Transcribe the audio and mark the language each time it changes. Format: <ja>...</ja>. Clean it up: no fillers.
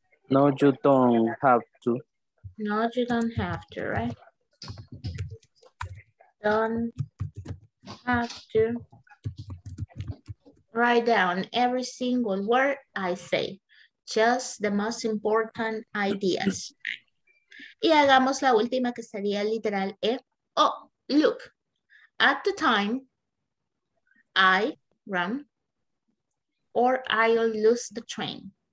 <en>No, you don't have to. No, you don't have to, right? Don't have to write down every single word I say. Just the most important ideas.</en> <es>Y hagamos la última que sería literal E.</es> <en>Oh, look. At the time, I run or I'll lose the train.</en>